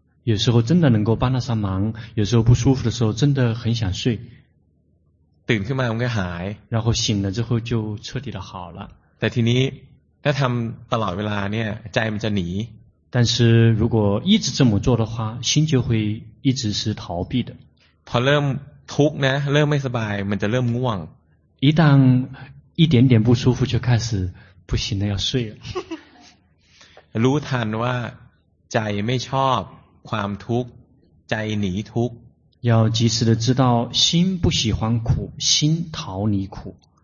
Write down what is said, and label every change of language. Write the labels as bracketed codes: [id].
[zh] 有时候真的能够帮得上忙有时候不舒服的时候真的很想睡 [th] ตื่นขึ้นมามันก็หาย [zh] 然后醒了之后就彻底的好了 [th] แต่ทีนี้ถ้าทำตลอดเวลาเนี่ยใจมันจะหนี [zh] 但是如果一直这么做的话心就会一直是逃避的 [th] พอเริ่มทุกข์นะเริ่มไม่สบายมันจะเริ่มง่วง [zh] 一旦一点点不舒服就开始不行了要睡了 [th] รู้ทันว่าใจไม่ชอบความทุกข์ใจหนีทุกข์ [zh] 要及时的知道心不喜欢苦心逃离苦